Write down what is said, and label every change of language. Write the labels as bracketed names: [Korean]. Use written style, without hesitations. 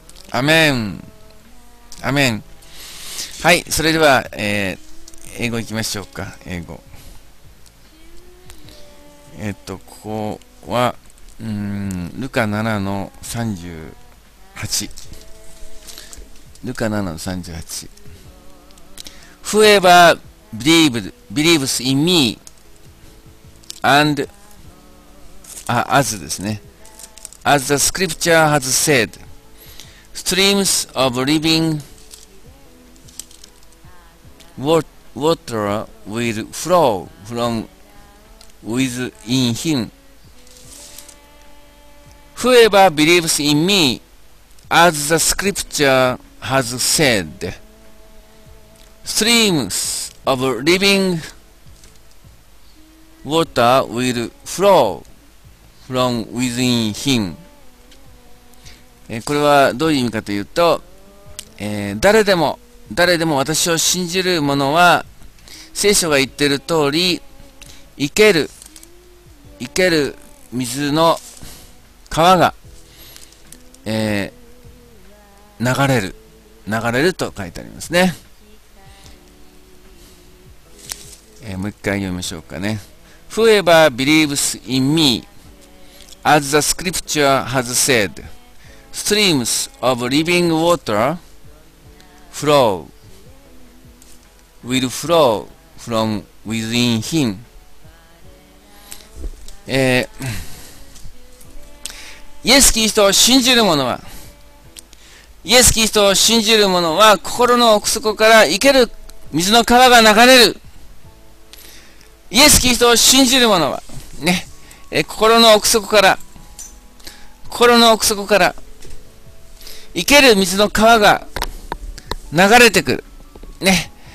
[Japanese] アメン、アメン。はい、それでは、英語いきましょうか。英語、ここはルカ7の38、ルカ7の38。 [English] Whoever believes in me and as [Japanese] ですね、 [English] as the scripture has said, streams of living water will flow from within him. Whoever believes in me, as the scripture has said, streams of living water will flow from within him. [Japanese] これはどういう意味かというと、誰でも私を信じる者は、聖書が言っている通り、生ける水の川が、流れると書いてありますね。もう一回読みましょうかね。 [English] Whoever believes in me, as the scripture has said, streams of living water will flow from within him. [Japanese] 、イエス・キリストを信じる者は、イエス・キリストを信じる者は心の奥底から生ける水の川が流れる。イエス・キリストを信じる者はね、心の奥底から、心の奥底から生ける水の川が流れてくるね。